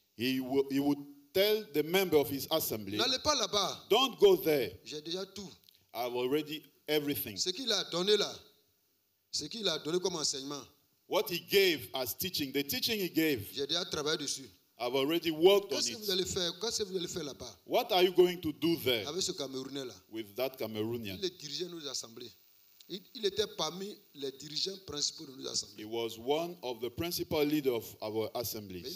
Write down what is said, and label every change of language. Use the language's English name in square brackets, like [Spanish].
[English] He would tell the member of his assembly. [French] N'allez pas là-bas. [English] Don't go there. [French] J'ai déjà tout. [English] I've already everything. [French] Ce qu'il a donné là, ce qu'il a donné comme enseignement. [English] What he gave as teaching, the teaching he gave. [French] J'ai déjà travaillé dessus. [English] I've already worked on it. [French] Qu'est-ce que vous allez faire? Qu'est-ce que vous allez faire là-bas? [English] What are you going to do there? [French] Avec ce Camerounais là. [English] With that Cameroonian. [French] Il dirigeait nos assemblées. Il était parmi les dirigeants principaux de nos assemblées. [English] He was one of the principal leaders of our assemblies.